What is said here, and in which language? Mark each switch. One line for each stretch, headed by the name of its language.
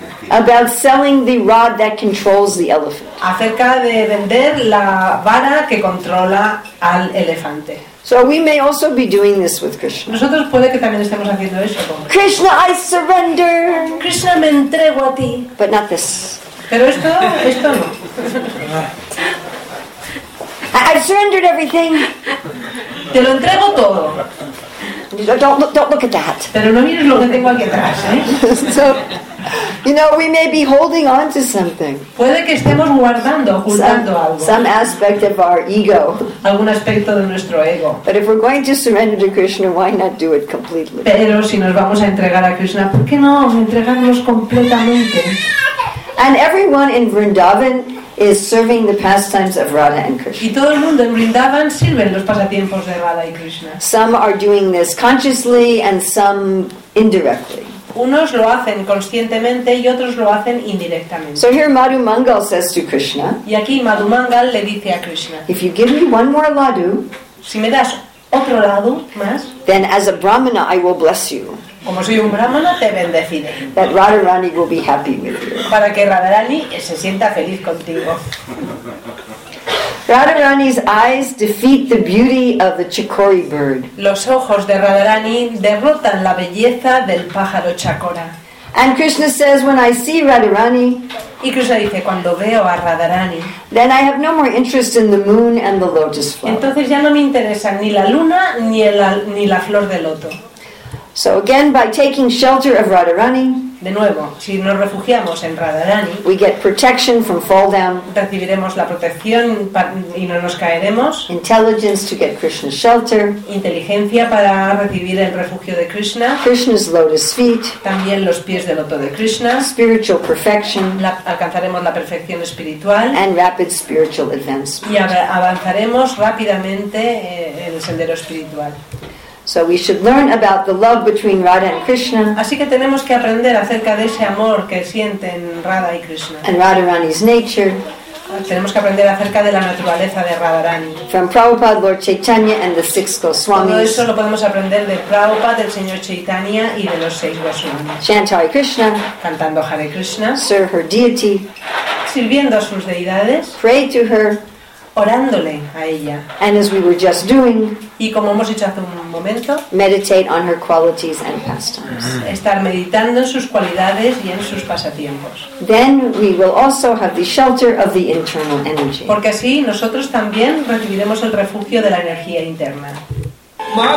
English: about selling the rod that controls the elephant.
Spanish: Acerca de vender la vara que controla al elefante.
English: So we may also be doing this with Krishna.
Spanish: Nosotros puede que también estemos haciendo eso con
English: Krishna. I surrender.
Spanish: Krishna, me entrego a ti.
English: But not this.
Spanish: Pero esto no.
English: I've surrendered everything.
Spanish: Te lo entrego todo.
English: Don't look at that.
Spanish: Pero no mires lo que tengo aquí atrás, ¿eh?
English: So, you know, we may be holding on to something.
Spanish: Puede que estemos guardando, ocultando algo.
English: Some aspect of our ego.
Spanish: Algún aspecto de nuestro ego.
English: But if we're going to surrender to Krishna, why not do it completely?
Spanish: Pero si nos vamos a entregar a Krishna, ¿por qué no entregarnos completamente?
English: And everyone in Vrindavan is serving the pastimes of Radha and Krishna.
Spanish: Y todo el mundo en Vrindavan sirven los pasatiempos de Radha y Krishna.
English: Some are doing this consciously and some indirectly.
Spanish: Unos lo hacen conscientemente y otros lo hacen indirectamente.
English: So here Madhu Mangal says to Krishna.
Spanish: Y aquí Madhu Mangal le dice a Krishna.
English: If you give me one more ladu,
Spanish: si me das otro ladu más,
English: then as a brahmana I will bless you.
Spanish: Como soy un brahmana, te bendeciré.
English: That Radharani will be happy with you.
Spanish: Para que Radharani se sienta feliz contigo.
English: Radharani's eyes defeat the beauty of the chakori bird.
Spanish: Los ojos de Radharani derrotan la belleza del pájaro chakora.
English: And Krishna says, when I see Radharani,
Spanish: y Krishna dice, cuando veo a Radharani,
English: then I have no more interest in the moon and the lotus flower.
Spanish: Entonces ya no me interesan ni la luna ni la flor de loto.
English: So again, by taking shelter of Radharani,
Spanish: de nuevo, si nos refugiamos en Radharani,
English: we get protection from fall down,
Spanish: recibiremos la protección y no nos caeremos,
English: intelligence to get Krishna's shelter,
Spanish: inteligencia para recibir el refugio de Krishna,
English: Krishna's lotus feet,
Spanish: también los pies del loto de Krishna,
English: spiritual perfection,
Spanish: alcanzaremos la perfección espiritual,
English: and rapid spiritual advancement,
Spanish: y avanzaremos rápidamente en el sendero espiritual.
English: So we should learn about the love between Radha and Krishna.
Spanish: Así que tenemos que aprender acerca de ese amor que sienten Radha y Krishna.
English: And Radharani's nature.
Spanish: Tenemos que aprender acerca de la naturaleza de Radharani.
English: From Prabhupada, Lord Chaitanya, and the six Goswamis.
Spanish: Todo eso lo podemos aprender de Prabhupada, del señor Chaitanya y de los seis Goswamis.
English: Chant Hare Krishna.
Spanish: Cantando Hare Krishna.
English: Serve her deity.
Spanish: Sirviendo a sus deidades.
English: Pray to her.
Spanish: Orándole a ella.
English: And as we were just doing,
Spanish: y como hemos hecho hace un momento,
English: meditate on her qualities and pastimes.
Spanish: Estar meditando en sus cualidades y en sus pasatiempos.
English: Then we will also have the shelter of the internal energy.
Spanish: Porque así nosotros también recibiremos el refugio de la energía interna. Mm.